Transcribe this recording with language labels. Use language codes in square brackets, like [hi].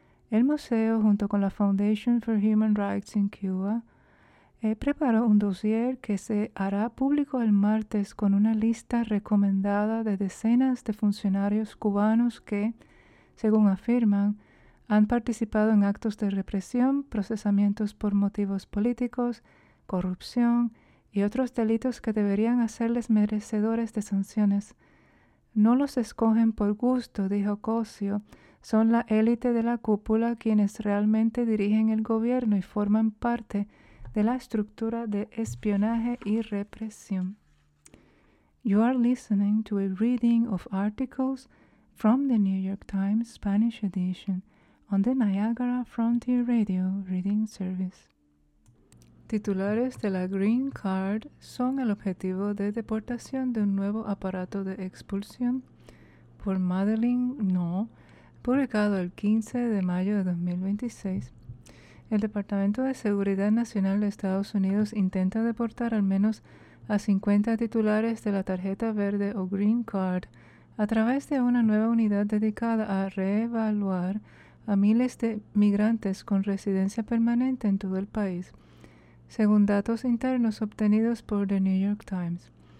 [es] El museo, junto con la Foundation for Human Rights in Cuba, preparó un dossier que se hará público el martes con una lista recomendada de decenas de funcionarios cubanos que, según afirman, han participado en actos de represión, procesamientos por motivos políticos, corrupción y otros delitos que deberían hacerles merecedores de sanciones. No los escogen por gusto, dijo Cosio. Son la élite de la cúpula quienes realmente dirigen el gobierno y forman parte de la estructura de espionaje y represión. [en] You are listening to a reading of articles from the New York Times Spanish edition on the Niagara Frontier Radio Reading Service. [es] titulares de la Green Card son el objetivo de deportación de un nuevo aparato de expulsión por Madeline Noh, publicado el 15 de mayo de 2026. El Departamento de Seguridad Nacional de Estados Unidos intenta deportar al menos a 50 titulares de la tarjeta verde o Green Card a través de una nueva unidad dedicada a reevaluar a miles de migrantes con residencia permanente en todo el país, según datos internos obtenidos por The New York Times.